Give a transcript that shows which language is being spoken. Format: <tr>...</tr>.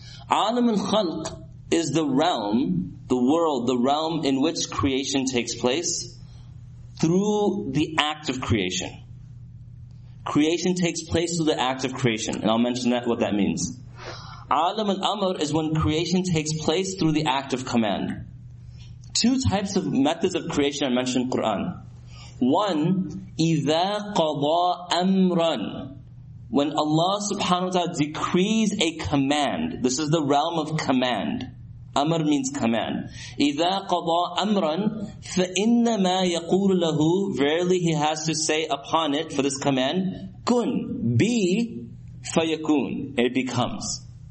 <en>Alam al-Khalq is the realm, the world, the realm in which creation takes place through the act of creation. Creation takes place through the act of creation. And I'll mention that, what that means. Alam al-Amr is when creation takes place through the act of command. Two types of methods of creation are mentioned in Quran.</en> <ar>One, إِذَا قَضَى أَمْرًا.</ar> <en>When Allah subhanahu wa ta'ala decrees a command. This is the realm of command. Amr means command.</en> <ar>إِذَا قَضَى أَمْرًا فَإِنَّمَا يَقُولُ لَهُ.</ar> <en>Verily he has to say upon it for this command, كُن, be, فَيَكُون. It becomes.</en>